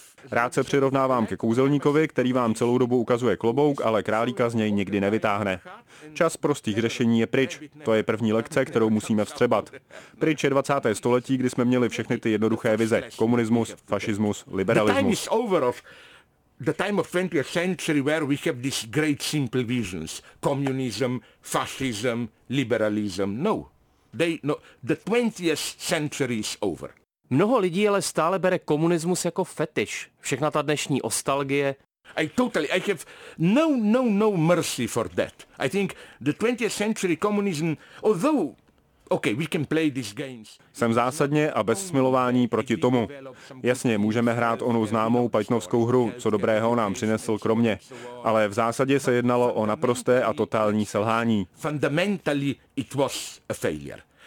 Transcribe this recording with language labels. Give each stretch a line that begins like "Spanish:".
Czech: Rád se přirovnávám ke kouzelníkovi, který vám celou dobu ukazuje klobouk, ale králíka z něj nikdy nevytáhne. Čas prostých řešení je pryč. To je první lekce, kterou musíme vstřebat. Pryč je 20. století, kdy jsme měli všechny ty jednoduché vize. Komunismus, fašismus, liberalismus.
English: The time of 20th century where we have these great simple visions. Communism, fascism, liberalism. No. The 20th century is over.
Czech: Mnoho lidí ale stále bere komunismus jako fetiš. Všechna ta dnešní nostalgie.
English: I have no mercy for that. I think the 20th century communism, although okay, we can play these games.
Czech: Jsem zásadně a bez smilování proti tomu. Jasně, můžeme hrát onu známou pajtnovskou hru, co dobrého nám přinesl kromě. Ale v zásadě se jednalo o naprosté a totální selhání.
English: Fundamentally it was a failure.